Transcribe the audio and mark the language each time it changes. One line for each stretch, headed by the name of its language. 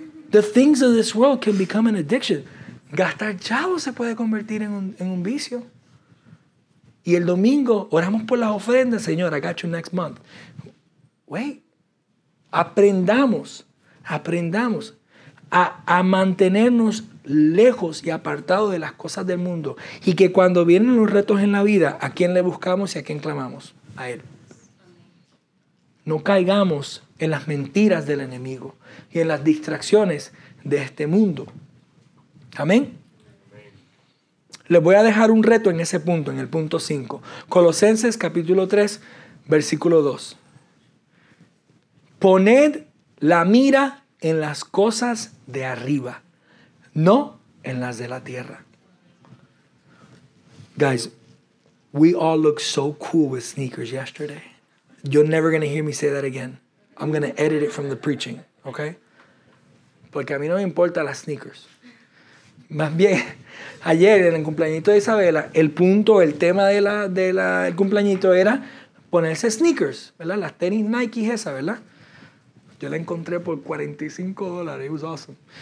English: The things of this world can become an addiction.
Spanish: Gastar chavos se puede convertir en un vicio. Y el domingo, oramos por las ofrendas, Señor,
English: I got you next month. Wait.
Spanish: Aprendamos a mantenernos lejos y apartados de las cosas del mundo. Y que cuando vienen los retos en la vida, ¿a quién le buscamos y a quién clamamos? A Él. No caigamos en las mentiras del enemigo y en las distracciones de este mundo. ¿Amén? Les voy a dejar un reto en ese punto, en el punto 5. Colosenses capítulo 3, versículo 2. Poned la mira en las cosas de arriba, no en las de la tierra.
English: Guys, we all look so cool with sneakers yesterday. You're never going to hear me say that again. I'm going to edit it from the preaching, okay?
Spanish: Porque a mí no me importan las sneakers. Más bien, ayer en el cumpleañito de Isabela, el tema de el cumpleañito era ponerse sneakers, ¿verdad? Las tenis Nike esas, ¿verdad? Yo la encontré por $45.
English: It was awesome.